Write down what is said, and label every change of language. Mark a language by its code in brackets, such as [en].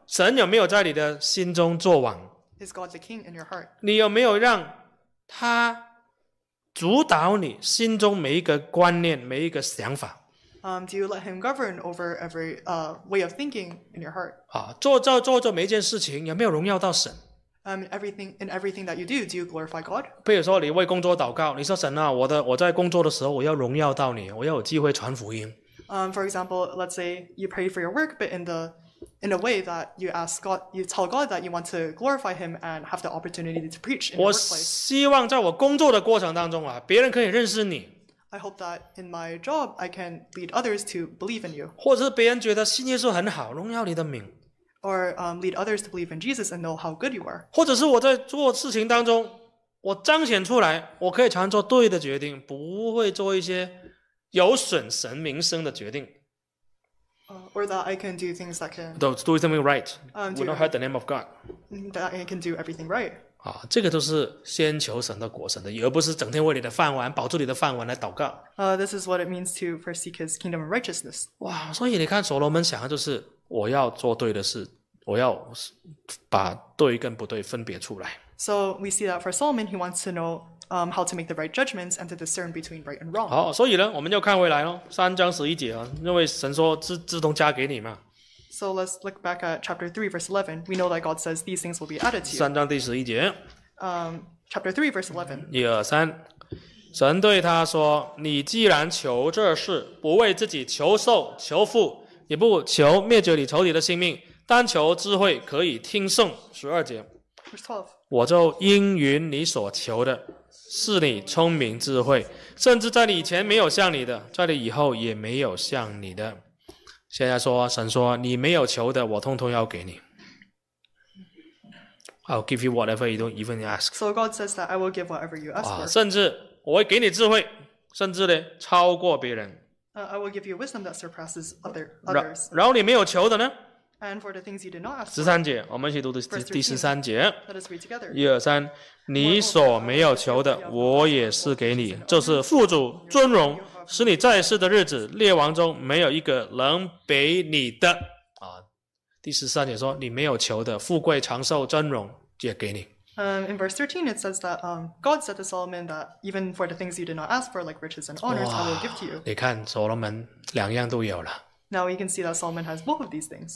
[zh] 神有没有在你的心中作王？ [en] Is God the king in your heart? [zh] 你有没有让他主导你心中每一个观念，每一个想法。 [en] Do you let him govern over every way of thinking in your heart? [zh] 啊，做每一件事情，有没有荣耀到神？ [en] In everything that you do, do you glorify God? [zh] 比如说你为工作祷告，你说神啊，我在工作的时候，我要荣耀到你，我要有机会传福音。 [en] For example, let's say you pray for your work, but in a way that you ask God, you tell God that you want to glorify Him and have the opportunity to preach in your workplace. [zh] 我希望在我工作的过程当中啊，别人可以认识你。 [en] I hope that in my job, I can lead others to believe in you. [zh] 或者是别人觉得信耶稣很好，荣耀你的名。 [en] Or lead others to believe in Jesus and know how good you are. [zh] 或者是我在做事情当中，我彰显出来，我可以常做对的决定，不会做一些有损神名声的决定。 [en] Or that I can do things that can do something right. Will not hurt the name of God. That I can do everything right. [zh] 啊，这个都是先求神的国，神的义，而不是整天为你的饭碗、保住你的饭碗来祷告。 [en] This is what it means to first seek His kingdom and righteousness. [zh] 哇，所以你看，所罗门想的就是我要做对的事，我要把对跟不对分别出来。 [en] So we see that for Solomon, he wants to know how to make the right judgments and to discern between right and wrong. [zh] 好，所以呢，我们就看回来咯，三章十一节啊，因为神说自动加给你嘛。 [en] So let's look back at chapter 3 verse 11. We know that God says these things will be added to you. [zh] 三章第十一节。 [en] Chapter 3 verse 11. [zh] 一二三，神对他说：“你既然求这事，不为自己求寿求富，也不求灭绝你仇敌的性命，单求智慧可以听颂。” 十二节。我就应允你所求的，是你聪明智慧，甚至在你以前没有像你的，在你以后也没有像你的。现在说，神说，你没有求的，我通通要给你。 [en] I'll give you whatever you don't even ask. So God says that I will give whatever you ask for. [zh] 甚至我会给你智慧，甚至呢，超过别人。 [en] I will give you wisdom that surpasses others. [zh] 然后你没有求的呢？ [en] And for the things you did not ask for. [zh] 十三节，我们一起读的第十三节。 [en] Let us read together. [zh] 一二三，你所没有求的，我也是给你，就是富足尊荣，使你在世的日子，列王中没有一个能比你的。啊，第十三节说，你没有求的，富贵长寿尊荣也给你。 [en] In verse 13, it says that God said to Solomon that even for the things you did not ask for, like riches and honors, I will give to you. [zh] 你看，所罗门两样都有了。 [en] Now we can see that Solomon has both of these things.